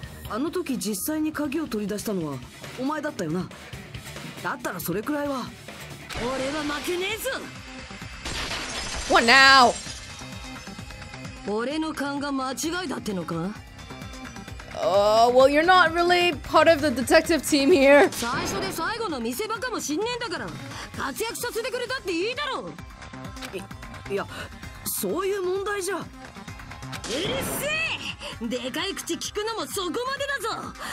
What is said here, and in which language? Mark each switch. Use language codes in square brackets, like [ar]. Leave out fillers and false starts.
[ja] あの時実際に鍵を取り出したのはお前だったよな。だったらそれくらいは。俺は負けねえぞ。 [en] What now? [ja] 俺の勘が間違いだってのか。 [en] Well, you're not really part of the detective team here. [ja] 最初で最後の見せ場かもしんねえんだから、活躍させてくれたっていいだろう。いや、そういう問題じゃ。うるせえ！でかい口聞くのもそこまでだぞ。